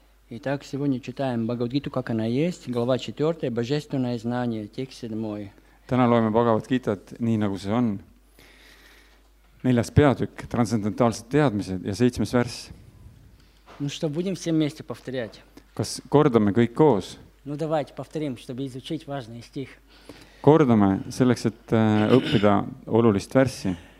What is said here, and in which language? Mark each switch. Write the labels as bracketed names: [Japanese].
[Russian] Итак, сегодня читаем Бхагавад-гиту, как она есть, глава 4, Божественное знание, текст 7. [Estonian] Täna loeme Bhagavad Gitat nii nagu see on. Neljas peatükk, transcendentaalsed teadmised ja seitsmes värss. [Russian] Ну что, будем все вместе повторять? [Estonian] Kas kordame kõik koos? [Russian] Ну давайте повторим, чтобы изучить важный стих. [Estonian] Kordame selleks, et õppida olulist värssi.